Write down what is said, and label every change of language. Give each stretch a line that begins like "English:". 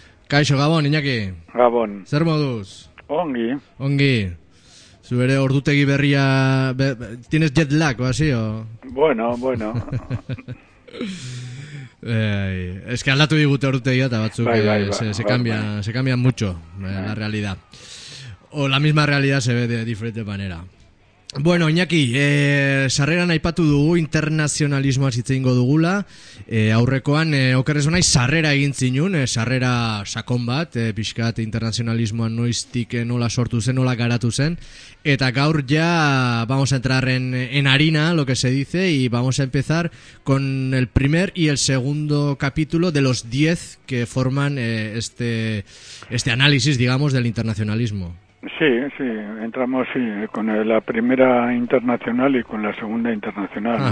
Basque: Kaixo, Gabon, Iñaki. Gabon. Zer moduz? Ongi. Ongi. Zubere ordutegi berria...
Spanish: Tienes jet lag,
Basque: basi, o? Bueno.
Spanish: Es que
Basque: aldatu digute ordutegi eta batzuk...
Spanish: Se cambia mucho la realidad. O la misma realidad se ve de diferente manera.
Basque: Bueno, Iñaki, sarreran aipatu dugu internazionalismoa hitze eingo dugula. Aurrekoan oker ez onai sarrera egin zinun, sarrera sakon bat, pixkat internazionalismoa noiztik nola sortu zen, nola garatu zen. Eta gaur ja
Spanish: vamos a entrar en harina, lo que se dice, y vamos a empezar con el primer y el segundo capítulo de los 10 que forman este análisis, digamos, del internacionalismo. Sí, entramos sí, con la primera internacional y con la segunda internacional. Ajá.